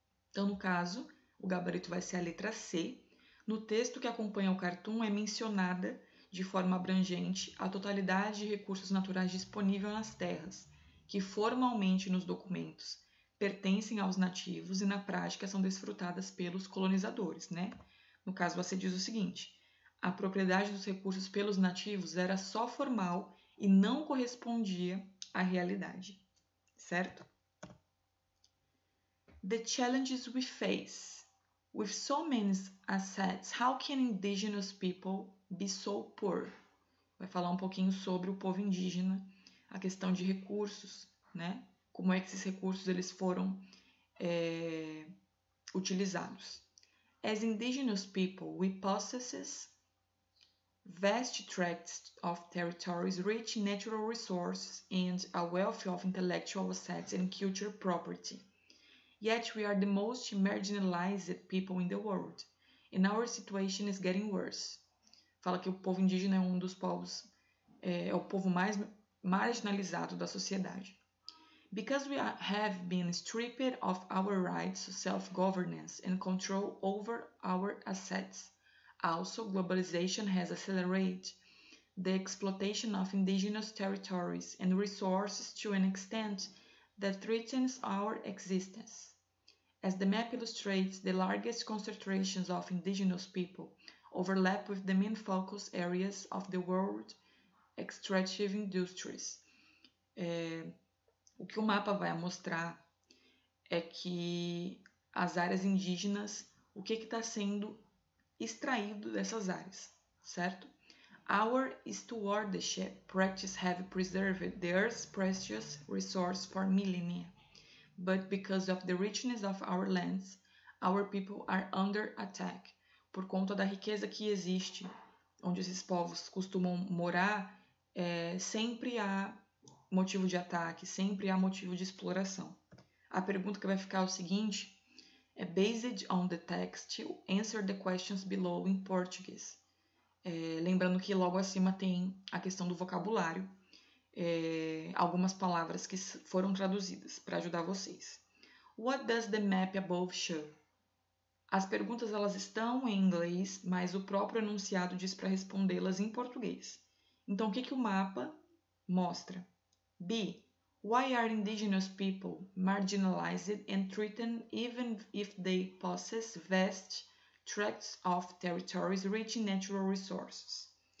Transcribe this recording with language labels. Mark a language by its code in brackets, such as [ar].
[pt] Então, no caso, o gabarito vai ser a letra C. No texto que acompanha o cartoon, é mencionada de forma abrangente a totalidade de recursos naturais disponíveis nas terras, que formalmente nos documentos pertencem aos nativos e na prática são desfrutadas pelos colonizadores, né? No caso, você diz o seguinte: a propriedade dos recursos pelos nativos era só formal e não correspondia à realidade, certo? [en] The challenges we face. With so many assets, how can indigenous people be so poor? [pt] Vai falar um pouquinho sobre o povo indígena, a questão de recursos, né? Como é que esses recursos eles foram utilizados? [en] As indigenous people, we possess vast tracts of territories, rich natural resources, and a wealth of intellectual assets and cultural property. Yet we are the most marginalized people in the world, and our situation is getting worse. [pt] Fala que o povo indígena é um dos povos, é o povo mais marginalizado da sociedade. [en] Because we have been stripped of our rights to self-governance and control over our assets. Also, globalization has accelerated the exploitation of indigenous territories and resources to an extent that threatens our existence. As the map illustrates, the largest concentrations of indigenous people overlap with the main focus areas of the world extractive industries. [pt] O que o mapa vai mostrar é que as áreas indígenas, o que que está sendo extraído dessas áreas, certo? [en] Our stewardship practice have preserved the earth's precious resource for millennia. But because of the richness of our lands, our people are under attack. [pt] Por conta da riqueza que existe onde esses povos costumam morar, sempre há motivo de ataque, sempre há motivo de exploração. A pergunta que vai ficar é o seguinte: é [en] based on the text, answer the questions below in Portuguese. [pt] Lembrando que logo acima tem a questão do vocabulário. Algumas palavras que foram traduzidas para ajudar vocês. [en] What does the map above show? [pt] As perguntas elas estão em inglês, mas o próprio enunciado diz para respondê-las em português. Então, o que que o mapa mostra? B. [en] Why are indigenous people marginalized and threatened even if they possess vast tracts of territories rich in natural resources?